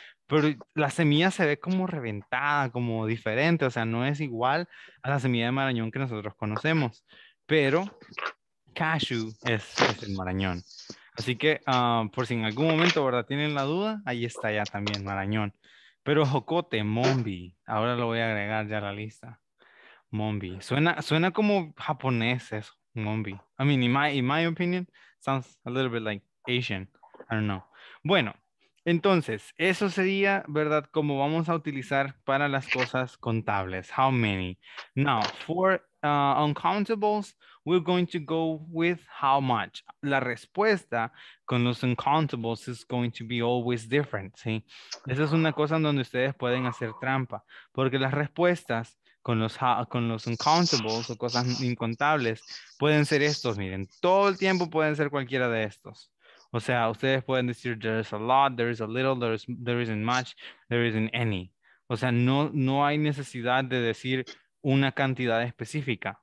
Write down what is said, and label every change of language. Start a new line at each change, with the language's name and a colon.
Spanish: Pero la semilla se ve como reventada, como diferente, o sea, no es igual a la semilla de marañón que nosotros conocemos, pero cashew es el marañón. Así que, por si en algún momento, ¿verdad?, tienen la duda, ahí está ya también marañón. Pero jocote, mombi, ahora lo voy a agregar ya a la lista. Mombi, suena como japonés eso, mombi.
English: I mean, in my opinion, sounds a little bit like Asian, I don't know.
Spanish: Bueno. Entonces, eso sería, ¿verdad?, como vamos a utilizar para las cosas contables.
English: How many? Now, for uncountables, we're going to go with how much.
Spanish: La respuesta con los
English: uncountables is going to be always different, ¿sí?
Spanish: Esa es una cosa donde ustedes pueden hacer trampa, porque las respuestas con los uncountables o cosas incontables pueden ser estos, miren. Todo el tiempo pueden ser cualquiera de estos. O sea, ustedes pueden decir
English: there is a lot, there is a little, there isn't much, there isn't any.
Spanish: O sea, no hay necesidad de decir una cantidad específica.